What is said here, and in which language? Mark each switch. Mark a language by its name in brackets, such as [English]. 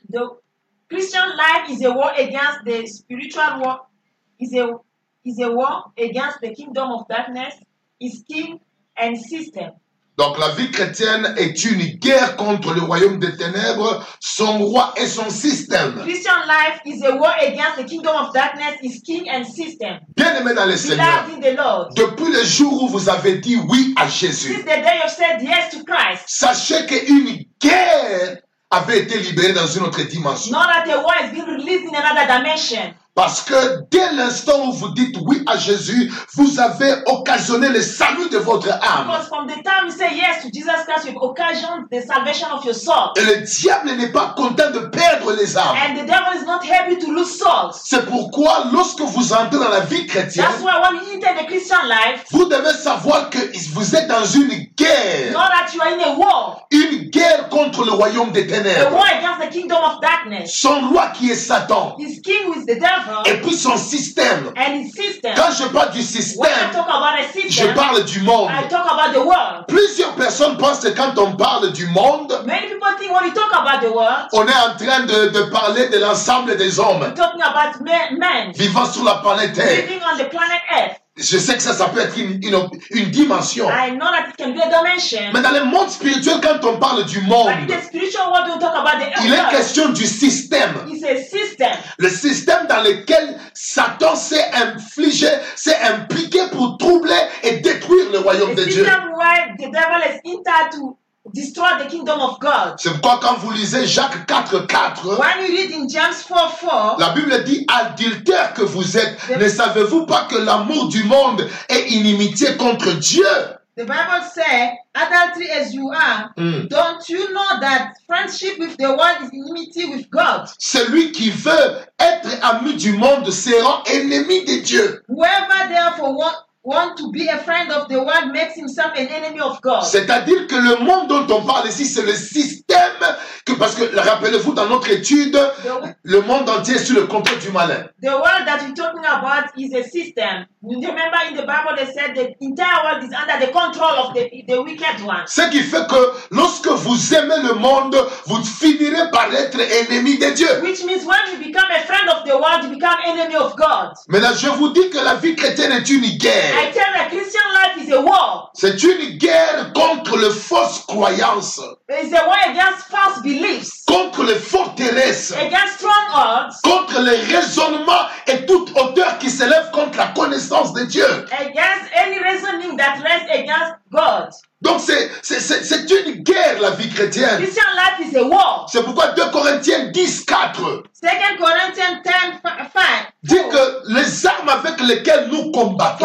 [English] The Christian life is a war against the spiritual war, is a war against the kingdom of darkness, its king and system. [French] Donc la vie chrétienne est une guerre contre le royaume des ténèbres, son roi et son système. [English] Christian life is a war against the kingdom of darkness, its king and system. [French] Bien-aimé dans le Seigneur. [English] Beloved in the Lord. [French] Depuis le jour où vous avez dit oui à Jésus. [English] Since the day you said yes to Christ. [French] Sachez qu'une guerre avait été libérée dans une autre dimension. [English] Not that a war has been released in another dimension. [French] Parce que dès l'instant où vous dites oui à Jésus, vous avez occasionné le salut de votre âme. [English] Because from the time you say yes to Jesus Christ, you've occasioned the salvation of your soul. [French] Et le diable n'est pas content de perdre les âmes. [English] And the devil is not happy to lose souls. [French] C'est pourquoi lorsque vous entrez dans la vie chrétienne, [English] that's why when you enter the Christian life, [French] vous devez savoir que vous êtes dans une guerre. [English] Know that you are in a war. [French] Une guerre contre le royaume des ténèbres. [English] A war against the kingdom of darkness. [French] Son roi qui est Satan. [English] His king who is the devil. [French] Et puis son système. [English] And his system. [French] Quand je parle du système, [English] when I talk about a system, [French] je parle du monde. [English] I talk about the world. [French] Plusieurs personnes pensent que quand on parle du monde, [English] many people think when you talk about the world, [French] on est en train de parler de l'ensemble des hommes [English] talking about men, [French] vivant sur la planète Terre. [English] Living on the planet Earth. [French] Je sais que ça peut être une dimension. [English] I know that it can be a dimension. [French] Mais dans le monde spirituel, quand on parle du monde, [English] but in the spiritual world, we'll talk about the earth. [French] Il est question du système. [English] It's a system. [French] Le système dans lequel Satan s'est infligé, s'est impliqué pour troubler et détruire le royaume de Dieu. [English] The system where the devil is entered to destroy the kingdom of God. [French] C'est pourquoi quand vous lisez Jacques 4:4, [English] when you read in James 4:4, [French] la Bible dit adultère que vous êtes, ne savez-vous pas que l'amour du monde est inimitié contre Dieu? [English] The Bible says, adultery as you are, don't you know that friendship with the world is enmity with God? [French] Celui qui veut être ami du monde sera ennemi de Dieu. [English] Whoever therefore want to be a friend of the world makes himself an enemy of God. [French] C'est-à-dire que le monde dont on parle ici, c'est le système que, parce que rappelez-vous dans notre étude, le monde entier est sous le contrôle du malin. [English] The world that we're talking about is a system. Remember in the Bible they said the entire world is under the control of the wicked one. [French] Ce qui fait que lorsque vous aimez le monde, vous finirez par être ennemi de Dieu. [English] Which means when you become a friend of the world, you become enemy of God. [French] Mais là, je vous dis que la vie chrétienne est une guerre. [English] I tell you, Christian life is a war. [French] C'est une guerre contre les fausses croyances. [English] It's a war against false beliefs. [French] Contre les forteresses. [English] Against strongholds. [French] Contre les raisonnements et toute hauteur qui s'élève contre la connaissance de Dieu. [English] Against any reasoning that rests against God. [French] Donc c'est une guerre la vie chrétienne. [English] Christian life is a war. [French] C'est pourquoi 2 Corinthiens 10:4. [English] 2 Corinthians 10:5. [French] Dit que les armes avec avec lesquels nous combattons.